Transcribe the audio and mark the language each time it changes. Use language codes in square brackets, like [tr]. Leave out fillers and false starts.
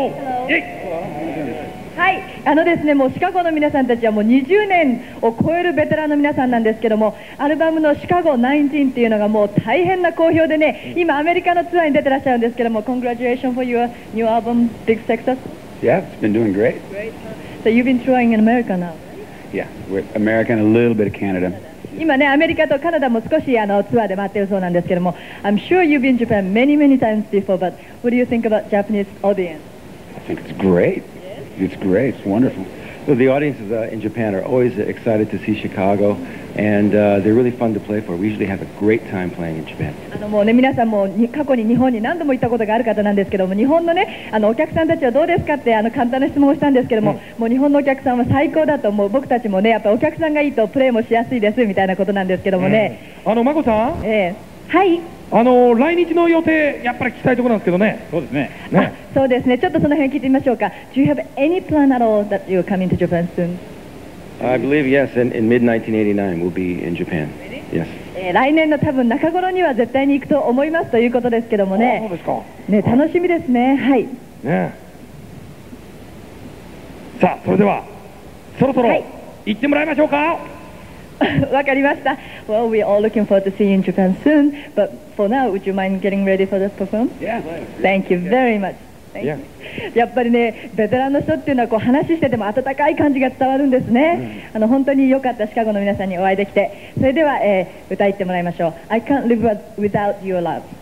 [ja] はい、あのですね、もうシカゴの皆さんたちはもう20年を超えるベテランの皆さんなんですけども、アルバムのシカゴ19っていうのがもう大変な好評でね、今アメリカのツアーに出てらっしゃるんですけども、 [en] Congratulations for your new album Big Success. Yeah, it's been doing great. So you've been touring in America now. Yeah, with America and a little bit of Canada. [ja] 今ねアメリカとカナダも少しあのツアーで回ってるそうなんですけども、 [en] I'm sure you've been Japan many many times before, but what do you think about Japanese audience? I think it's greatIt's great. It's wonderful. So the audiences in Japan are always excited to see Chicago, and they're really fun to play for. We usually have a great time playing in Japan. [ja] もうね、皆さんも過去に日本に何度も行ったことがある方なんですけども、日本のね、あのお客さんたちはどうですかってあの簡単な質問をしたんですけども、もう日本のお客さんは最高だと思う。僕たちもね、やっぱお客さんがいいとプレーもしやすいですみたいなことなんですけどもね。あの、まこさん。はい。あの来日の予定やっぱり聞きたいところなんですけどね。そうですね。あ、そうですね。ちょっとその辺聞いてみましょうか。 [en] Do you have any plan at all that you're coming to Japan soon? I believe yes. In mid 1989, we'll be in Japan. Yes. [ja] 来年の多分中頃には絶対に行くと思いますということですけどもね。そうですか。ね、楽しみですね。はい。ね。さあ、それではそろそろ行ってもらいましょうか。はい、わかりました。 [en] Well, we're all looking forward to seeing you in Japan soon. But for now, would you mind getting ready for this performance? Yeah. Thank you very much. Thank you. [ja] やっぱりね、ベテランの人っていうのはこう話してても温かい感じが伝わるんですね。あの本当に良かったシカゴの皆さんにお会いできて。それでは、歌いってもらいましょう。 [en] I can't live without your love.